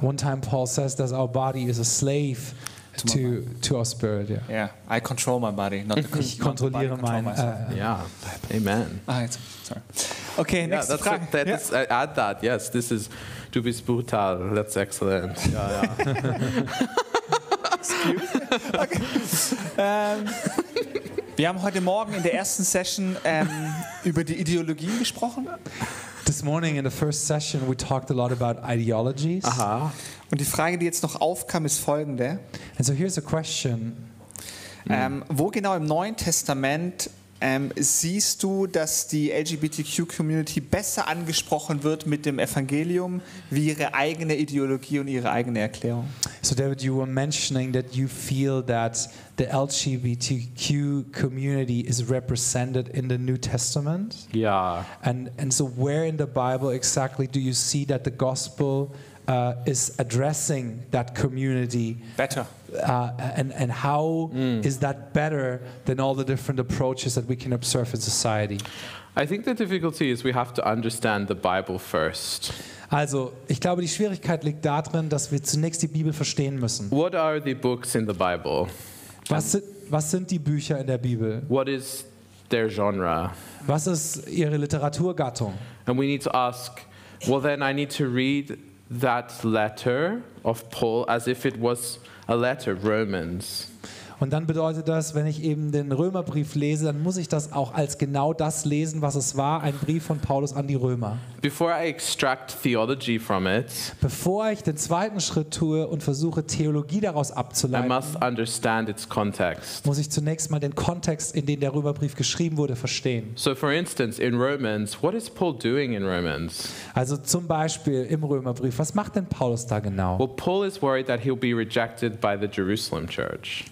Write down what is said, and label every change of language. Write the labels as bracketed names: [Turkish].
[English] One time Paul says that our body is a slave to our spirit. Yeah. Yeah, I control my body, not the [German] Ich kontrolliere meinen. [English] Yeah, amen. Ah, sorry. Okay, yeah, [German] nächste Frage. [English] Add that. Yes, this is. [German] Du bist brutal. [English] That's excellent. [German] Ja, ja. [English] Excuse me. Okay. [German] Wir haben heute Morgen in der ersten Session über die Ideologien gesprochen. [English] This morning in the first session we talked a lot about ideologies. Aha. [German] Und die Frage, die jetzt noch aufkam, ist folgende. [English] And so here's a question. [German] Wo genau im Neuen Testament siehst du, dass die LGBTQ-Community besser angesprochen wird mit dem Evangelium wie ihre eigene Ideologie und ihre eigene Erklärung? [English] So David, you were mentioning that you feel that the LGBTQ community is represented in the New Testament. Yeah. And so where in the Bible exactly do you see that the gospel is addressing that community better? And how is that better than all the different approaches that we can observe in society? I think the difficulty is we have to understand the Bible first. [German] Also, ich glaube, die Schwierigkeit liegt darin, dass wir zunächst die Bibel verstehen müssen. [English] What are the books in the Bible? [German] Was sind die Bücher in der Bibel? [English] What is their genre? [German] Was ist ihre Literaturgattung? [English] And we need to ask, well then I need to read that letter of Paul as if it was a letter, Romans. [German] Und dann bedeutet das, wenn ich eben den Römerbrief lese, dann muss ich das auch als genau das lesen, was es war, ein Brief von Paulus an die Römer. [English] Before I extract theology from it, [German] bevor ich den zweiten Schritt tue und versuche, Theologie daraus abzuleiten, [English] I must understand its context. [German] Muss ich zunächst mal den Kontext, in den der Römerbrief geschrieben wurde, verstehen. [English] So for instance, in Romans, what is Paul doing in Romans? [German] Also zum Beispiel im Römerbrief, was macht denn Paulus da genau? [English] Well, Paul is worried that he'll be rejected by the Jerusalem church.